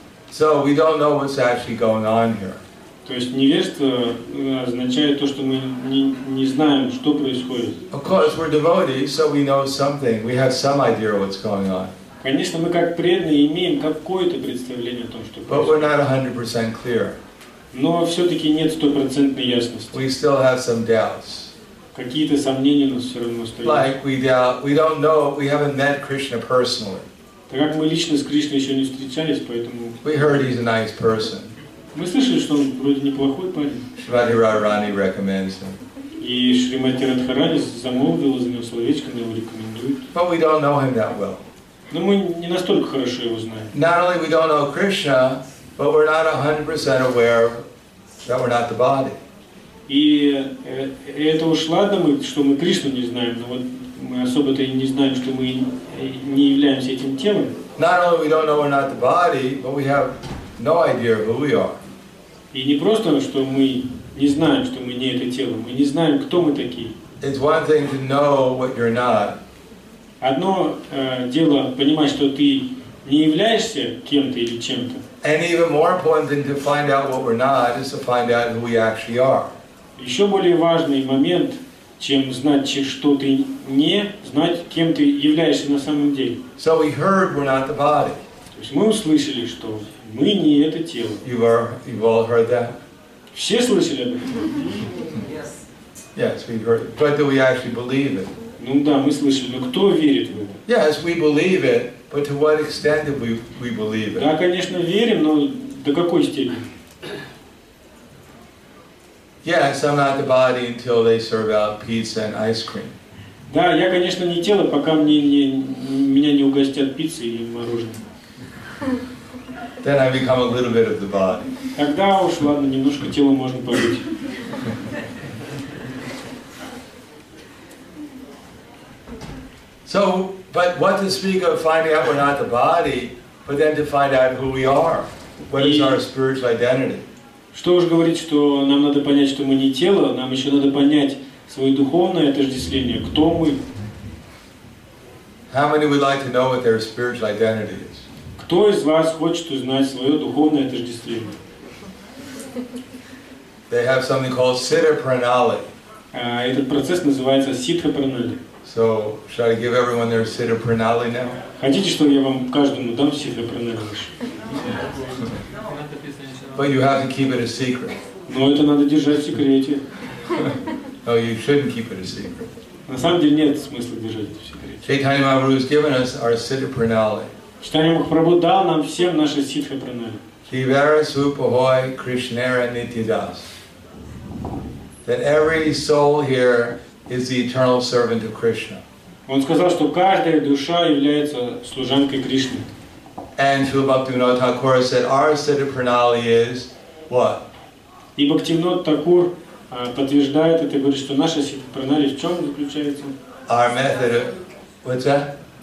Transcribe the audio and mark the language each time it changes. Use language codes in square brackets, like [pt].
[en] So we don't know what's actually going on here. [ru] То есть невежество означает то, что мы не знаем, что происходит. [en] Of course, we're devotees, so we know something. We have some idea of what's going on. [ru] Конечно, мы как преданные имеем какое-то представление о том, что происходит. [en] But we're not 100% clear. [ru] Но все-таки нет 100% ясности. [en] We still have some doubts. [ru] Какие-то сомнения у нас все равно остаются. [en] Like we don't know, we haven't met Krishna personally. [ru] Так как мы лично с Кришной еще не встречались, поэтому. [en] We heard he's a nice person. [ru] Мы слышали, что он вроде неплохой парень. [en] Шримати Радхарани recommends him. [ru] И Шримати Радхарани замолвила за него словечко, но его рекомендует. [en] But we don't know him that well. [ru] Но мы не настолько хорошо его знаем. [en] Not only we don't know Krishna, but we're not 100% aware that we're not the body. [ru] И это уж ладно, что мы Кришну не знаем, но вот мы особо-то и не знаем, что мы не являемся этим телом. [en] Not only we don't know we're not the body, but we have no idea who we are. [ru] И не просто, что мы не знаем, что мы не это тело, мы не знаем, кто мы такие. [en] It's one thing to know what you're not. [ru] Одно дело понимать, что ты не являешься кем-то или чем-то. [en] And even more important than to find out what we're not is to find out who we actually are. [ru] Еще более важный момент, чем знать, что ты не, знать, кем ты являешься на самом деле. [en] So we heard we're not the body. [ru] То есть мы услышали, что мы не это тело. [en] You've all heard that? [ru] Все слышали об этом? [en] Yes. Yes, we've heard. But do we actually believe it? [ru] Ну да, мы слышали. Но кто верит в это? [en] Yes, we believe it. But to what extent do we believe it? [ru] Да, конечно, верим, но до какой степени? [en] Yes, I'm not the body until they serve out pizza and ice cream. [ru] Да, я, конечно, не тело, пока меня не угостят пиццей или мороженым. [en] Then I become a little bit of the body. [ru] Тогда уж ладно, немножко тело можно побыть. [en] So, but what to speak of finding out we're not the body, but then to find out who we are, what is our spiritual identity? [ru] Что уж говорить, что нам надо понять, что мы не тело, нам еще надо понять свое духовное отождествление, кто мы. [en] How many would like to know what their spiritual identity is? [ru] Кто из вас хочет узнать свое духовное отождествление? [en] They have something called siddha-pranali. [ru] Этот процесс называется siddha-pranali. [en] So, should I give everyone their siddha-pranali now? [ru] Хотите, чтобы я вам каждому дам siddha-pranali? [en] But you have to keep it a secret. [ru] Но это надо держать в секрете. [en] No, you shouldn't keep it a secret. [ru] На самом деле нет смысла держать это в секрете. [en] Chaitanya Mahaprabhu has given us our siddha-pranali. [ru] Chaitanya Mahaprabhu дал нам всем наши siddha-pranali. Hivarasupahoy Krishnara Nityadas. [en] That every soul here is the eternal servant of Krishna. [ru] Он сказал, что каждая душа является служанкой Кришны. [en] And Śrīla Bhaktivinoda Thakura said, our siddha-pranali is what? [ru] И Бхактивинода Такур подтверждает это и говорит, что наша siddha-pranali в чем заключается? [en] Our method of... What's that?